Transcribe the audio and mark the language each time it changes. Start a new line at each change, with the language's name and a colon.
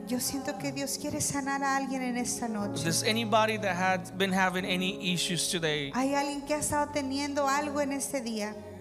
Spanish: Yo siento que Dios quiere sanar a alguien en esta noche.
English: Does anybody that had been having any issues today?
Spanish: Hay alguien que ha estado teniendo algo en este día.